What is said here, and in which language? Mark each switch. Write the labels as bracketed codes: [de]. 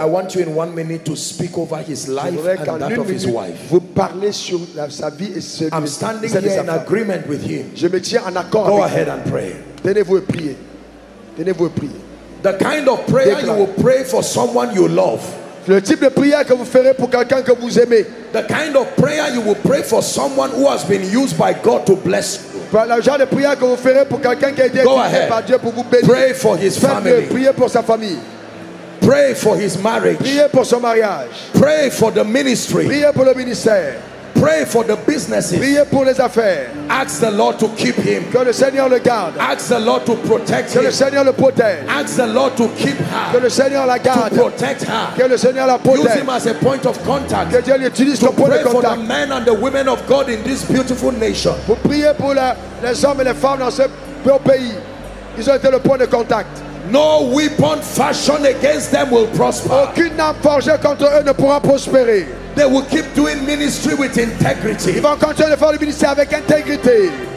[en] I want you in 1 minute to speak over his life and that of his wife. [fr] Vous parlez sur sa vie et ce [en] I'm standing here in agreement with him. [fr] Je me tiens en accord [en] Go [fr] avec [en] ahead [fr] lui. [en] And pray. [fr] Tenez-vous et priez. Tenez-vous et priez. [en] The kind of prayer you will pray for someone you love. [fr] Le type de prière que vous ferez pour quelqu'un que vous aimez. [en] The kind of prayer you will pray for someone who has been used by God to bless you. [fr] Le genre de prière que vous ferez pour quelqu'un qui a été utilisé par Dieu pour vous bénir. [en] Pray for his family. [fr] Priez pour sa famille. [en] Pray for his marriage. [fr] Priez pour son mariage. [en] Pray for the ministry. [fr] Priez pour le ministère. [en] Pray for the businesses. [fr] Priez pour les affaires. [en] Ask the Lord to keep him. [fr] Que le Seigneur le garde. [en] Ask the Lord to protect [fr] que [en] him. [fr] Que le Seigneur le protège. [en] Ask the Lord to keep her. [fr] Que le Seigneur la garde. [en] To protect her. [fr] Que le Seigneur la protège. [en] Use him as a point of contact. [fr] Que Dieu l'utilise comme point de contact. [en] Pray for the men and the women of God in this beautiful nation. [fr] Pour prier pour les hommes et les femmes dans ce beau pays. Ils ont été le point de contact. [en] No weapon fashioned against them will prosper. [fr] Aucune arme forgée contre eux ne pourra prospérer. [en] They will keep doing ministry with integrity. [fr] Ils vont continuer de faire le ministère avec intégrité.